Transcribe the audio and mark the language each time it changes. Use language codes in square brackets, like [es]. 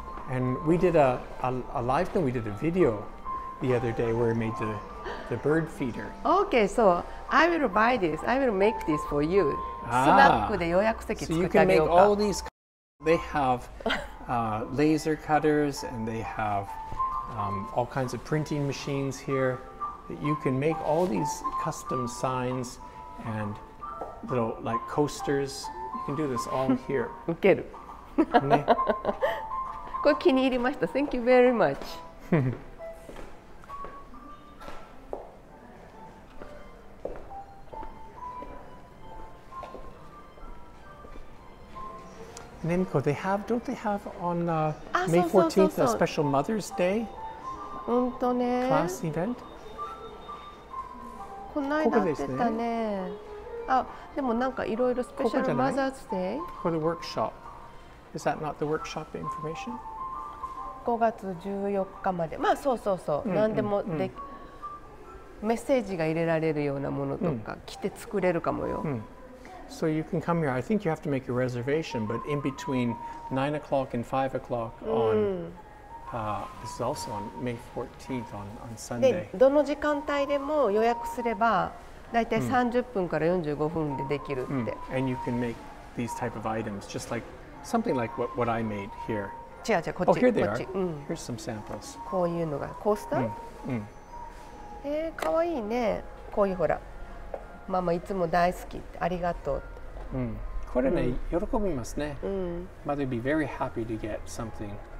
[en] And we did a live thing. We did a video the other day where we made the bird feeder. Okay, so I will buy this. I will make this for you. [ja] スナックで予約席作ってあげようか。 [en] So you can make all these. They have laser cutters and they have all kinds of printing machines here. That you can make all these custom signs and little like coasters. You can do this all here. [ja] ウケる。これ気に入りました。 [en] Thank you very much. Nemiko, they have, don't they have on May 14th a special Mother's Day class event? [ja] この間やってた ね, ここでね。あ、でもなんかいろいろスペシャルマザーズデイ。ここでワークショップ。 [en] Is that not the workshop information? [ja] 5月14日まで。まあそうそうそう。うんうんうん、何でもで、うん、メッセージが入れられるようなものとか、うん、来て作れるかもよ、うん。 [en] So you can come here. I think you have to make a reservation, but in between 9 o'clock and 5 o'clock on、うんThis is also on May 14th on Sunday. [ja] で、どの時間帯でも予約すれば、だいたい30分から45分でできるって。 Mm. [en] And you can make these type of items, just like something like what I made here. [ja] 違う違う、こっち。 [en] Oh, here they are. Here's some samples. [ja] こういうのが、コースター？ Mm. Mm. かわいいね。こういうほら、ママいつも大好き、ありがとう。これね、喜びますね。 [en] Mother would be very happy to get something.